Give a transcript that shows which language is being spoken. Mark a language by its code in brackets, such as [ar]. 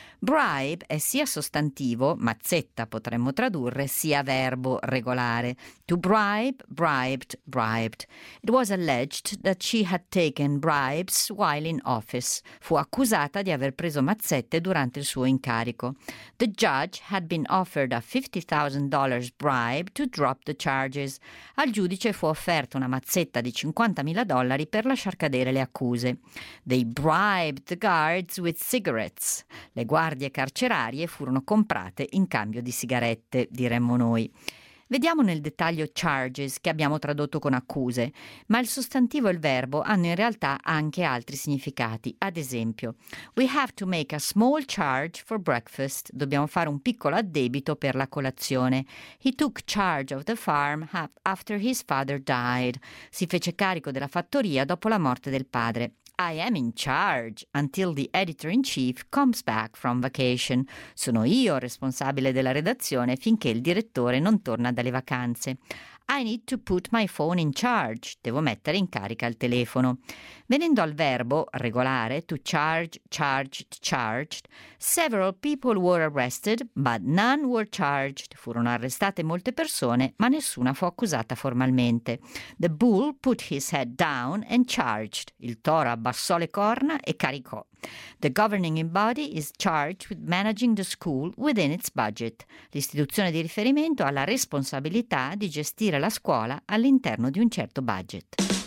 [it] Bribe è sia sostantivo, mazzetta potremmo tradurre, sia verbo regolare. [en] To bribe, bribed, bribed. It was alleged that she had taken bribes while in office. [it] Fu accusata di aver preso mazzette durante il suo incarico. [en] The judge had been offered a $50,000 bribe to drop the charges. [it] Al giudice fu offerta una mazzetta di $50,000 per lasciar cadere le accuse. [en] They bribed the guards with cigarettes. [it] Le guardie carcerarie furono comprate in cambio di sigarette, diremmo noi. Vediamo nel dettaglio charges, che abbiamo tradotto con accuse, ma il sostantivo e il verbo hanno in realtà anche altri significati. Ad esempio, [en] we have to make a small charge for breakfast. [it] Dobbiamo fare un piccolo addebito per la colazione. [en] He took charge of the farm after his father died. [it] Si fece carico della fattoria dopo la morte del padre. [en] I am in charge until the editor-in-chief comes back from vacation. [it] Sono io responsabile della redazione finché il direttore non torna dalle vacanze. [en] I need to put my phone in charge. [it] Devo mettere in carica il telefono. Venendo al verbo regolare, [en] to charge, charged, charged, several people were arrested, but none were charged. [it] Furono arrestate molte persone, ma nessuna fu accusata formalmente. [en] The bull put his head down and charged. [it] Il toro abbassò le corna e caricò. [en] The governing body is charged with managing the school within its budget. [it] L'istituzione di riferimento ha la responsabilità di gestire la scuola all'interno di un certo budget.